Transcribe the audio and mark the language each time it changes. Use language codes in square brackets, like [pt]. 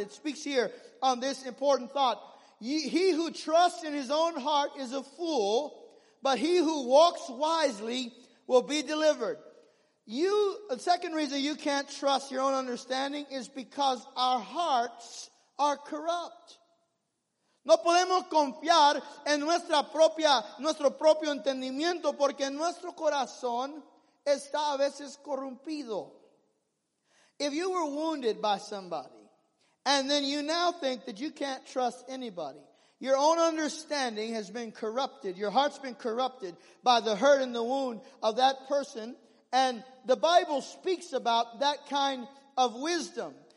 [en] It speaks here on this important thought. He who trusts in his own heart is a fool, but he who walks wisely will be delivered. The second reason you can't trust your own understanding is because our hearts are corrupt. [es] No podemos confiar en nuestro propio entendimiento porque nuestro corazón está a veces corrompido. [en] If you were wounded by somebody, and then you now think that you can't trust anybody, your own understanding has been corrupted, your heart's been corrupted by the hurt and the wound of that person. And the Bible speaks about that kind of wisdom.